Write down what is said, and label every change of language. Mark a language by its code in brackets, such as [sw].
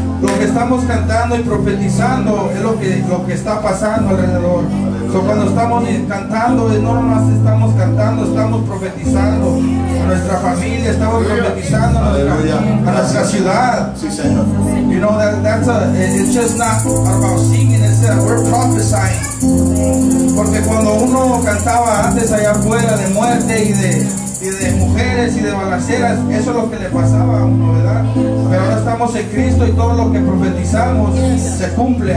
[es] Lo que estamos cantando y profetizando es lo que está pasando alrededor. So, cuando estamos cantando, no más estamos cantando, estamos profetizando a nuestra familia, estamos profetizando a nuestra ciudad. Sí, Señor. [en] You know, it's just not about singing, it's that we're prophesying. [es] Porque cuando uno cantaba antes allá afuera de muerte y de mujeres y de balaceras, eso es lo que le pasaba a uno, ¿verdad? Pero ahora estamos en Cristo y todo lo que profetizamos se cumple.